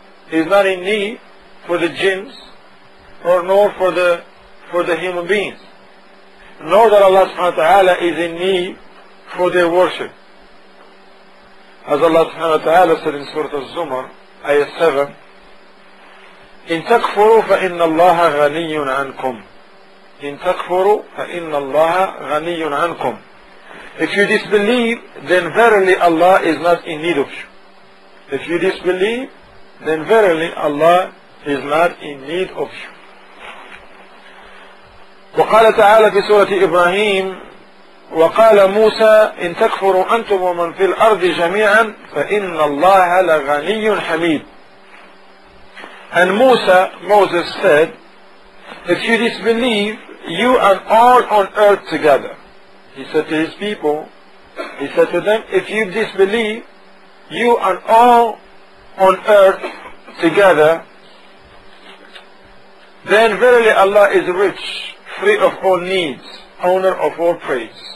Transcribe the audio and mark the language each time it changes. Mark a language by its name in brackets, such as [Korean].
[English] He's not in need for the jinns, or nor for the human beings. Nor that Allah subhanahu wa ta'ala is in need for their worship. As Allah subhanahu wa ta'ala said in Surah Az-Zumar, Ayah 7, [Arabic] إن تكفروا فإن الله غني عنكم. [English] إن تكفروا فإن الله غني عنكم. If you disbelieve, then verily Allah is not in need of you. If you disbelieve, then verily Allah is not in need of you. [Arabic] وقال تعالى في سورة إبراهيم وقال موسى إن تكفروا أنتم ومن في الأرض جميعا فإن الله لغني حميد. [English] And Musa, Moses said, if you disbelieve, you and all on earth together. He said to his people, he said to them, if you disbelieve, you and all on earth together, then verily Allah is rich, free of all needs, owner of all praise.